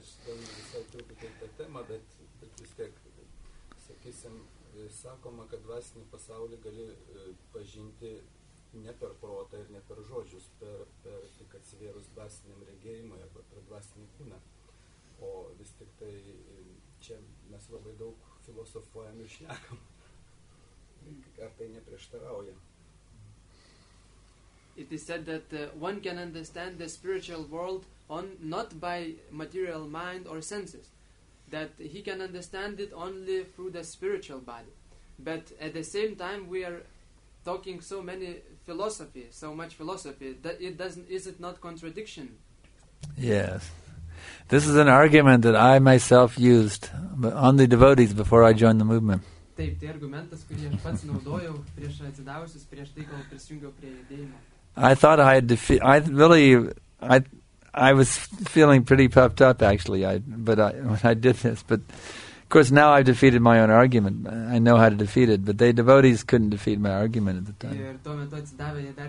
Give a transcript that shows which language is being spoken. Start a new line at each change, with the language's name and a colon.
Lithuanian: Aš ten visai truputį tą temą, bet vis tiek, sakysim, sakoma, kad dvasinį pasaulį gali pažinti ne per protą ir ne per žodžius, per tik atsivėrus dvasiniam regėjimui arba per dvasinį kūną. O vis tik tai čia mes labai daug filosofuojam ir šnekam. Ar tai neprieštarauja?
English: It is said that one can understand the spiritual world on not by material mind or senses, that he can understand it only through the spiritual body. But at the same time we are talking so many philosophy, so much philosophy, that it doesn't, is it not contradiction? Yes. This is an argument that I myself used on the devotees before I joined the movement.
Lithuanian: Taip, tai argumentas, kurį aš pats naudojau prieš atsidavusius, prieš tai, kol prisijungiau prie judėjimo.
English: I thought I had I was feeling pretty puffed up actually, when I did this, but of course, now I've defeated my own argument. I know how to defeat it, but the devotees couldn't defeat my argument at the time.